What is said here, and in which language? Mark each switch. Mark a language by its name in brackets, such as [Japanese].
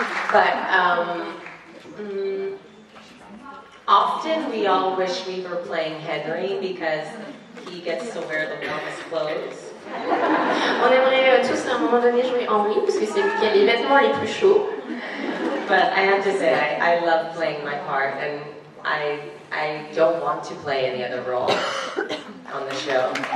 [English] But often we all wish we were playing Henry because he gets to wear the warmest clothes. [French] On aimerait tous à un moment donné jouer Henry parce que c'est lui qui a les vêtements les plus chauds. [English] But I have to say I love playing my part, and I don't want to play any other role on the show.